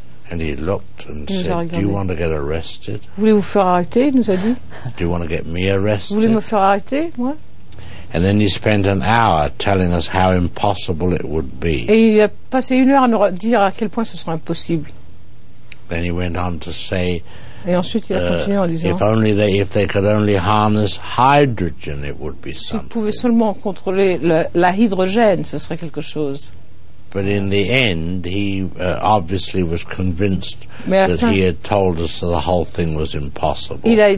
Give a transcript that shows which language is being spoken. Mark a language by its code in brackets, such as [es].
[en] And he looked and said, "Do you want to get arrested?" [fr] Voulez-vous faire arrêter? Nous a dit. [en] Do you want to get me arrested? [fr] Voulez-vous me faire arrêter, moi? [en] And then he spent an hour telling us how impossible it would be. [fr] Et il a passé une heure à nous dire à quel point ce serait impossible. [en] Then he went on to say. [fr] Et ensuite il a continué en disant. [en] If they could only harness hydrogen, it would be something. [fr] S'ils pouvaient seulement contrôler la hydrogène, ce serait quelque chose. [en] But in the end, he obviously was convinced that he had told us that the whole thing was impossible.